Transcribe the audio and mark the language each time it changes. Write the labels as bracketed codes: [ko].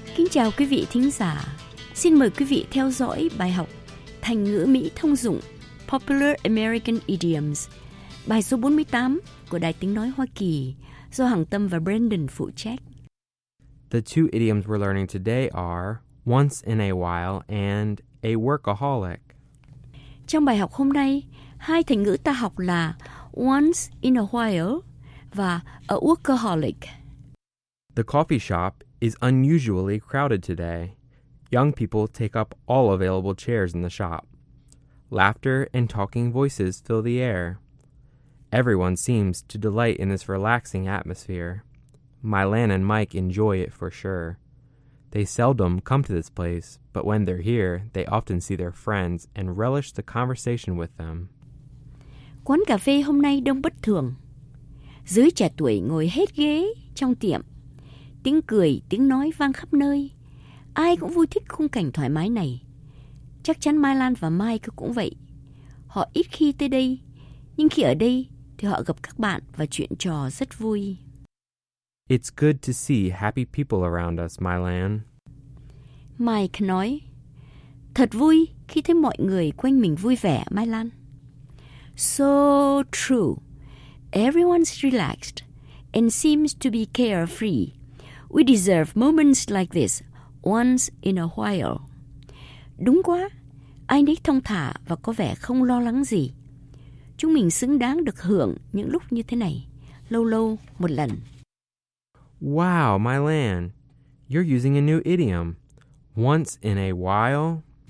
[vi] Chào quý vị thính giả. Xin mời quý vị theo dõi bài học Thành ngữ Mỹ thông dụng Popular American Idioms, bài số 48 của Đài Tiếng Nói Hoa Kỳ do Hằng Tâm và Brandon phụ trách. [en] The two idioms we're learning today are once in a while and a workaholic. [vi] Trong bài học hôm nay, hai thành ngữ ta học là [en] once in a while [vi] và a workaholic. [en] The coffee shop is unusually crowded today. Young people take up all available chairs in the shop. Laughter and talking voices fill the air. Everyone seems to delight in this relaxing atmosphere. Mylan and Mike enjoy it for sure. They seldom come to this place, but when they're here, they often see their friends and relish the conversation with them. [vi] Quán cà phê hôm nay đông bất thường. Giới trẻ tuổi ngồi hết ghế trong tiệm. Tiếng cười, tiếng nói vang khắp nơi. Ai cũng vui thích khung cảnh thoải mái này. Chắc chắn Mai Lan và Mike cũng vậy. Họ ít khi tới đây, nhưng khi ở đây thì họ gặp các bạn và chuyện trò rất vui. [en] It's good to see happy people around us, Mai Lan. [vi] Mike nói, thật vui khi thấy mọi người quanh mình vui vẻ, Mai Lan. [en] So true. Everyone's relaxed and seems to be carefree. We deserve moments like this once in a while. [vi] Đúng quá. Ai nấy thong thả và có vẻ không lo lắng gì. Chúng mình xứng đáng được hưởng những lúc như thế này, lâu lâu một lần. [en] Wow, Mylan, you're using a new idiom. Once in a while.